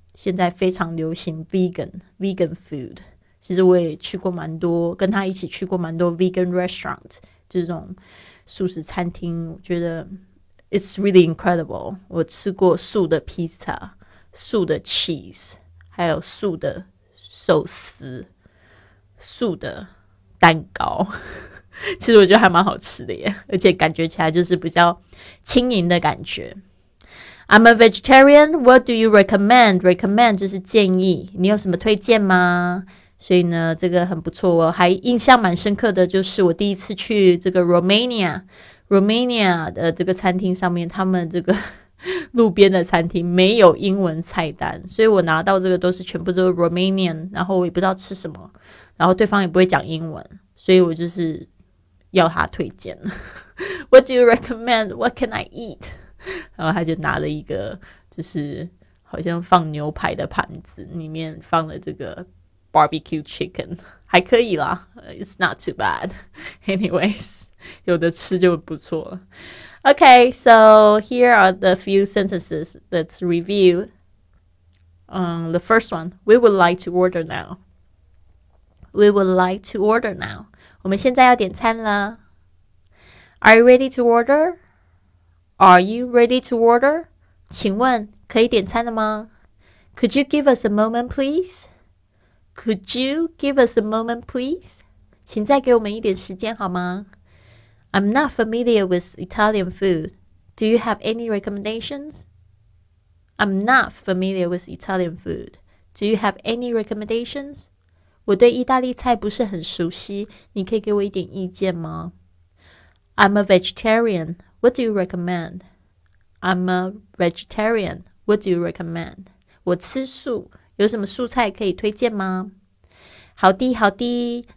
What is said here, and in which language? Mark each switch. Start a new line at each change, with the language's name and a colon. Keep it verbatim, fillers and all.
Chinese: 现在非常流行 vegan vegan food， 其实我也去过蛮多，跟他一起去过蛮多 vegan restaurant 这种素食餐厅，我觉得
English: it's really incredible。
Chinese: 我吃过素的 pizza， 素的 cheese， 还有素的寿司，素的蛋糕其实我觉得还蛮好吃的耶，而且感觉起来就是比较轻盈的感觉。
English: I'm a vegetarian, what do you recommend?
Chinese: Recommend 就是建议，你有什么推荐吗？所以呢这个很不错，我还印象蛮深刻的就是我第一次去这个 Romania Romania 的这个餐厅上面，他们这个路边的餐厅没有英文菜单，所以我拿到这个都是全部都是 Romanian， 然后我也不知道吃什么，然后对方也不会讲英文，所以我就是要他推荐
English: What do you recommend? What can I eat?
Chinese: 然后他就拿了一个就是好像放牛排的盘子，里面放了这个 barbecue chicken， 还可以啦，
English: it's not too bad anyways，
Chinese: 有的吃就不错了。
English: Okay, so here are the few sentences, let's review、um, the first one, we would like to order now. We would like to order now.
Chinese: 我们现在要点餐了。
English: Are you ready to order? Are you ready to order?
Chinese: 请问可以点餐了吗？
English: Could you give us a moment, please? Could you give us a moment, please?
Chinese: 请再给我们一点时间好吗？
English: I'm not familiar with Italian food. Do you have any recommendations? I'm not familiar with Italian food. Do you have any recommendations?
Chinese: 我对意大利菜不是很熟悉，你可以给我一点意见吗？
English: I'm a vegetarian. What do you recommend? I'm a vegetarian. What do you recommend?
Chinese: 我吃素，有什么素菜可以推荐吗？好的，好的。